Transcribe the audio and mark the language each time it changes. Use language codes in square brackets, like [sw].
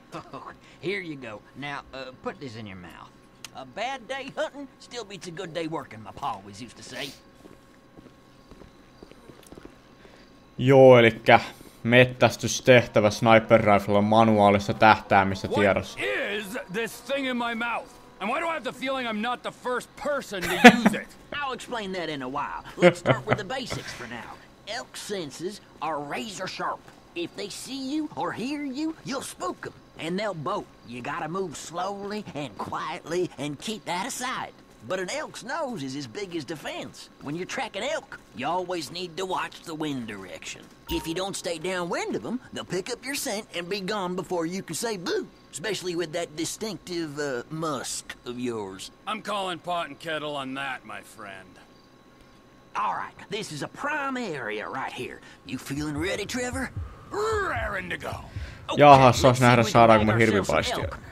[en] Oh, here you go. Now, put this in your mouth. A bad day hunting still beats a good day working, my pa always used to say. [fi] Joo, elikkä metsästystehtävä sniper rifle manuaalista tähtäämistä tiedossa. [en] What is this thing in my mouth? And why do I have the feeling I'm not the first person to use it? I'll explain that in a while. Let's start with the basics for now. Elk senses are razor sharp. If they see you or hear you, you'll spook them, and they'll bolt. You gotta move slowly and quietly and keep that aside. But an elk's nose is as big as defense. When you're tracking elk, you always need to watch the wind direction. If you don't stay downwind of them, they'll pick up your scent and be gone before you can say boo, especially with that distinctive, musk of yours. I'm calling pot and kettle on that, my friend. All right, this is a prime area right here. You feeling ready, Trevor? Raring to go. [fi] Jaha, saas nähdä saadaanko me hirvipaistia.